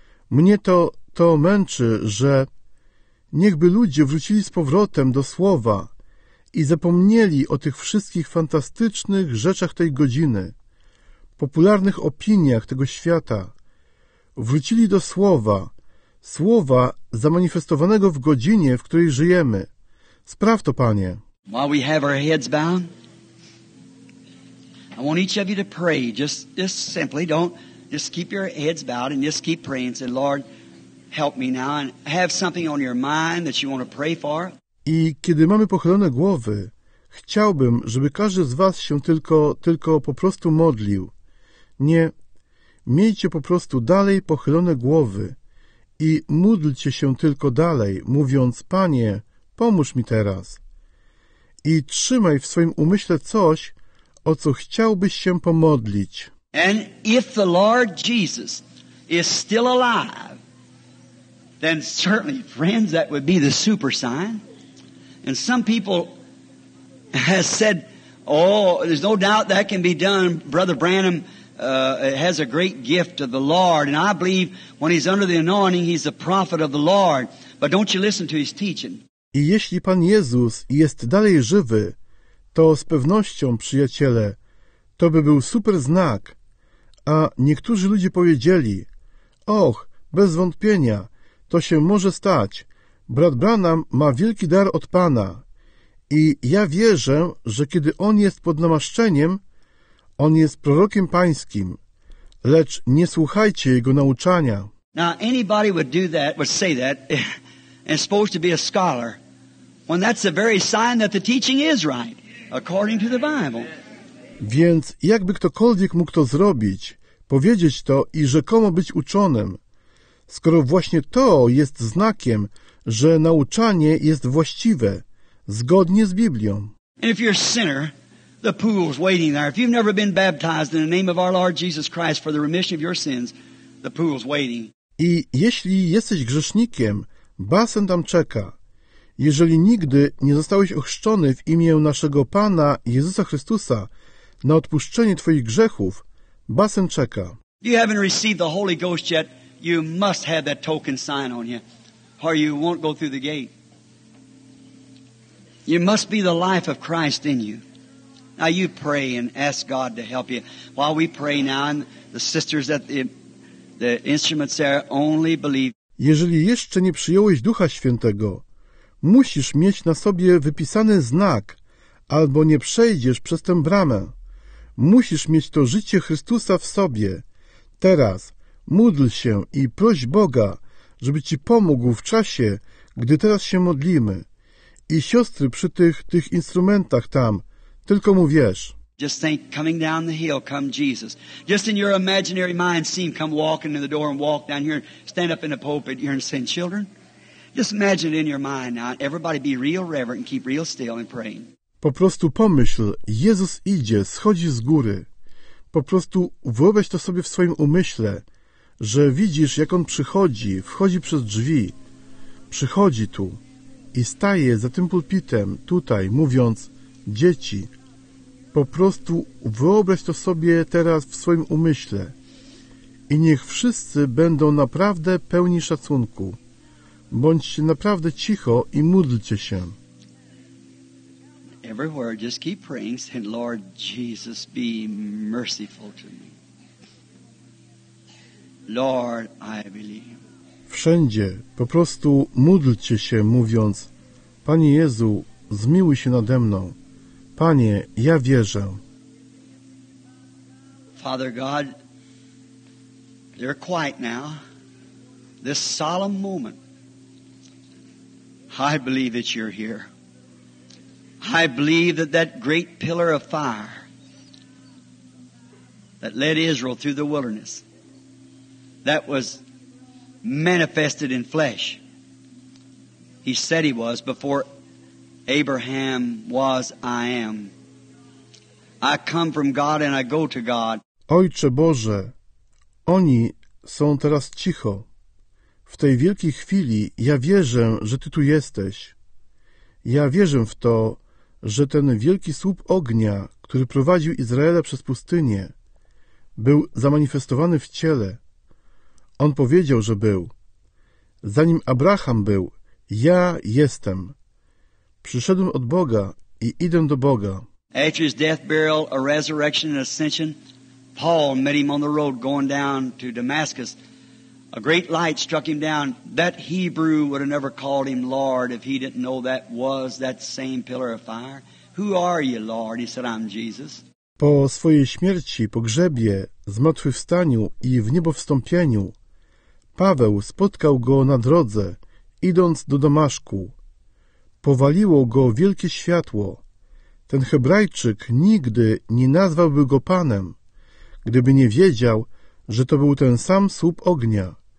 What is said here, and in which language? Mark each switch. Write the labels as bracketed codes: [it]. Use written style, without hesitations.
[pl] Mnie to męczy, że niechby ludzie wrócili z powrotem do Słowa i zapomnieli o tych wszystkich fantastycznych rzeczach tej godziny, popularnych opiniach tego świata. Wrócili do Słowa zamanifestowanego w godzinie, w której żyjemy. Spraw to, Panie. [en] While we have our heads bound, I want each of you to pray. Just simply, don't just keep your heads bowed and just keep praying. Say, Lord, help me now. And have something on your mind that you want to pray for. [pl] I kiedy mamy pochylone głowy, chciałbym, żeby każdy z was się tylko po prostu modlił. Nie, miejcie po prostu dalej pochylone głowy i módlcie się tylko dalej, mówiąc, Panie, pomóż mi teraz. I trzymaj w swoim umyśle coś, o co chciałbyś się pomodlić. [en] And if the Lord Jesus is still alive, then certainly, friends, that would be the super sign. And some people have said, oh, there's no doubt that can be done. Brother Branham has a great gift of the Lord. And I believe when he's under the anointing, he's a prophet of the Lord. But don't you listen to his teaching. [pl] I jeśli Pan Jezus jest dalej żywy, to z pewnością, przyjaciele, to by był super znak. A niektórzy ludzie powiedzieli, och, bez wątpienia, to się może stać. Brat Branham ma wielki dar od Pana. I ja wierzę, że kiedy on jest pod namaszczeniem, on jest prorokiem Pańskim. Lecz nie słuchajcie jego nauczania. [en] Now anybody would do that, would say that, and supposed to be a scholar, when that's the very sign that the teaching is right. According to the Bible. [pl] Więc jakby ktokolwiek mógł to zrobić, powiedzieć to i rzekomo być uczonym, skoro właśnie to jest znakiem, że nauczanie jest właściwe, zgodnie z Biblią. [en] And if you're a sinner, the pool's waiting there. If you've never been baptized in the name of our Lord Jesus Christ for the remission of your sins, the pool's waiting. [pl] I jeśli jesteś grzesznikiem, basen tam czeka. Jeżeli nigdy nie zostałeś ochrzczony w imię naszego Pana Jezusa Chrystusa na odpuszczenie twoich grzechów, basen czeka. [en] You haven't received the Holy Ghost yet, you must have that token sign on you, or you won't go through the gate. You must be the life of Christ in you. Now you pray and ask God to help you. While we pray now, and the sisters at the instruments there only believe. [pl] Jeżeli jeszcze nie przyjąłeś Ducha Świętego, musisz mieć na sobie wypisany znak, albo nie przejdziesz przez tę bramę. Musisz mieć to życie Chrystusa w sobie. Teraz módl się i proś Boga, żeby ci pomógł w czasie, gdy teraz się modlimy. I siostry przy tych instrumentach tam, tylko mu wierz. [en] Just think, coming down the hill, come Jesus. Just in your imaginary mind, see him come walking in the door and walk down here, stand up in the pulpit here and send children. Just imagine it in your mind now. Everybody be real reverent and keep real still and pray. [pl] Po prostu pomyśl, Jezus idzie, schodzi z góry. Po prostu wyobraź to sobie w swoim umyśle, że widzisz, jak on przychodzi, wchodzi przez drzwi, przychodzi tu i staje za tym pulpitem tutaj, mówiąc, dzieci, po prostu wyobraź to sobie teraz w swoim umyśle i niech wszyscy będą naprawdę pełni szacunku. Bądźcie naprawdę cicho i módlcie się. [en] Everywhere, just keep praying, saying, Lord Jesus, be merciful to me. Lord, I believe. [pl] Wszędzie, po prostu módlcie się, mówiąc, Panie Jezu, zmiłuj się nade mną. Panie, ja wierzę. [en] Father God, you're quiet now. This solemn moment. I believe that you're here. I believe that that great pillar of fire that led Israel through the wilderness, that was manifested in flesh. He said he was before Abraham was, I am. I come from God and I go to God. [pl] Ojcze Boże, oni są teraz cicho. W tej wielkiej chwili ja wierzę, że Ty tu jesteś. Ja wierzę w to, że ten wielki słup ognia, który prowadził Izraela przez pustynię, był zamanifestowany w ciele. On powiedział, że był. Zanim Abraham był, ja jestem. Przyszedłem od Boga i idę do Boga. [en] After his death, burial, a resurrection, and ascension, Paul met him on the road going down to Damascus. A great light struck him down. That Hebrew would have never called him Lord if he didn't know that was that same pillar of fire. Who are you, Lord? He said, I'm Jesus. [pl] Po swojej śmierci, pogrzebie, zmartwychwstaniu i w niebowstąpieniu, Paweł spotkał go na drodze, idąc do Damaszku. Powaliło go wielkie światło. Ten Hebrajczyk nigdy nie nazwałby go Panem, gdyby nie wiedział, że to był ten sam słup ognia.